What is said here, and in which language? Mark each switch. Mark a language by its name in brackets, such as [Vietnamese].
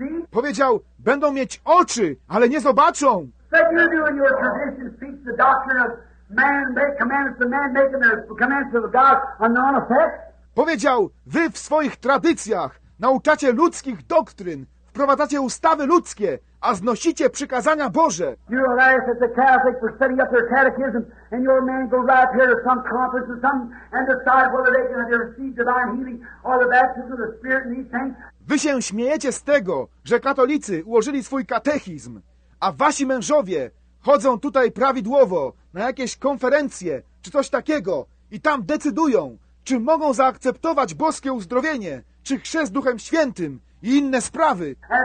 [Polish] Powiedział, będą mieć oczy, ale nie zobaczą. [English] That you do in your tradition speaks the doctrine of man make commandments, the man making the commandments of God a non-effect. [Polish] Powiedział, wy w swoich tradycjach nauczacie ludzkich doktryn, wprowadzacie ustawy ludzkie, a znosicie przykazania Boże. [English] You realize that the Catholics were setting up their catechism, and your men go right here to some conference or something and decide whether they can receive divine healing or the baptism of the Spirit in these things. [Polish] Wy się śmiejecie z tego, że katolicy ułożyli swój katechizm, a wasi mężowie chodzą tutaj prawidłowo na jakieś konferencje czy coś takiego i tam decydują, czy mogą zaakceptować boskie uzdrowienie, czy chrzest Duchem Świętym i inne sprawy.